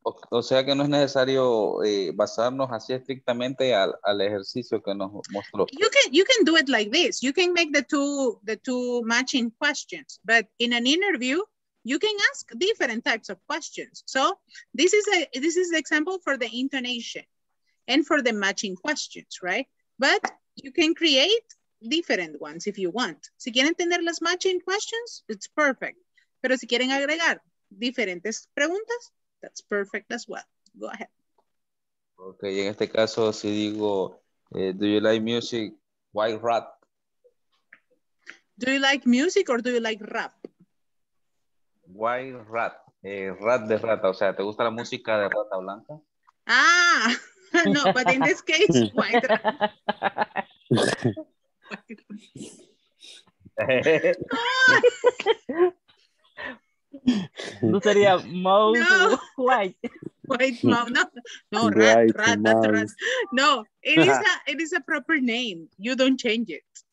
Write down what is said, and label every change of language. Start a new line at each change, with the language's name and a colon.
Spanish: O sea que no es necesario basarnos así estrictamente al ejercicio que nos mostró.
English: You can do it like this. You can make the two matching questions. But in an interview, you can ask different types of questions. So this is the example for the intonation and for the matching questions, right? But you can create different ones if you want.
Spanish: Si quieren tener las matching questions,
English: it's perfect.
Spanish: Pero si quieren agregar diferentes preguntas,
English: that's perfect as well. Go ahead. Okay,
Spanish: en este caso, si digo,
English: do you like music, why rap? Do you like music or do you like rap? Why rap?
Spanish: Rap de rata, o sea, ¿te gusta la música de rata blanca?
English: Ah, no, but in this case, why rap?
Spanish: No sería mouse no. White.
English: White mouse. No, rat. No, it is a proper name. You don't change it.